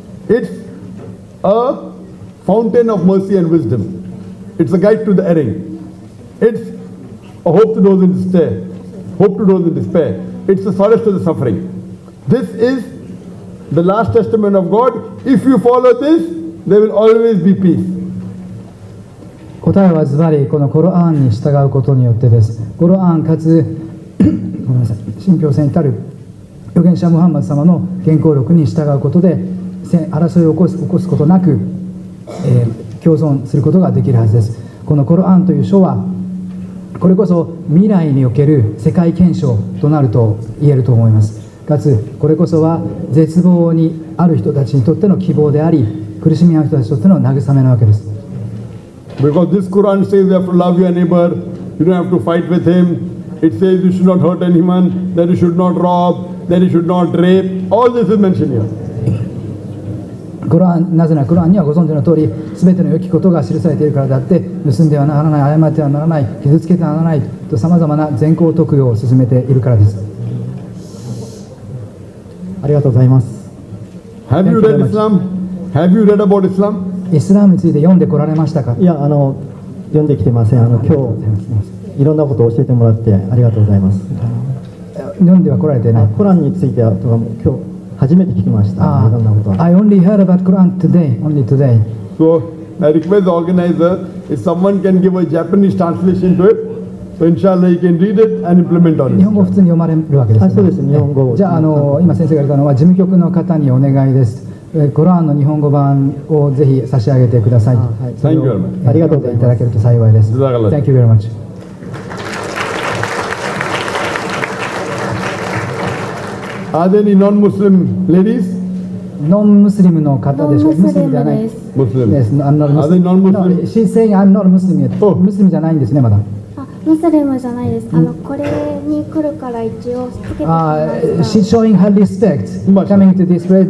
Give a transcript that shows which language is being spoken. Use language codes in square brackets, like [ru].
[en] It's a fountain of mercy and wisdom. It's a guide to the erring. It's a hope to those in despair. Hope to those in despair. It's the solace to the suffering. This is the last testament of God. If you follow this, there will always be peace. [ja] 答えはズバリこのコロアンに従うことによってです。コロアンかつ、ごめんなさい、信教性に至る預言者ムハンマド様の原稿録に従うことで、争いを起こすことなく、共存することができるはずです。このコロアンという書は、これこそ未来における世界憲章となると言えると思います。かつ、これこそは絶望にある人たちにとっての希望であり、苦しみある人たちにとっての慰めなわけです。 [en] Because this Quran says you have to love your neighbor, you don't have to fight with him. It says you should not hurt anyone, that you should not rob, that you should not rape. All this is mentioned here. [ja] Quran, なぜなら Quran にはご存知の通り、すべての良きことが記されているからであって、盗んではならない、誤ってはならない、傷つけてはならないと様々な善行徳用を進めているからです。ありがとうございます。 [en] Have you read Islam? Have you read about Islam? [ja] イスラムについて読んでこられましたか。いや読んできてません。今日いろんなことを教えてもらってありがとうございます。読んでは来られてない。コランについてはとかも今日初めて聞きました。いろんなことは。 [en] I only heard about Quran today. Only today. So I request the organizer, if someone can give a Japanese translation to it, so inshallah you can read it and implement on it. [ja] 日本語普通に読まれるわけです、ね、あそうです、日本語じゃあ、今先生が言ったのは事務局の方にお願いです。コランの日本語版をぜひ差し上げてください。 [en] Thank you very much. [ja] ありがとうございます。いただけると幸いです。 [en] Thank you very much. Are there any non-Muslim ladies? [ja] Non-Muslim の方でしょ [en] Muslim [ja] じゃない [en] Muslim. Yes, I'm not Muslim. Are they non-Muslim? No, she's saying I'm not Muslim yet. Oh. [ja] Muslim じゃないんですね、まだ。 Muslim じゃないです。これに来るから一応つけてきました。 [en] She's showing her respect coming to this place.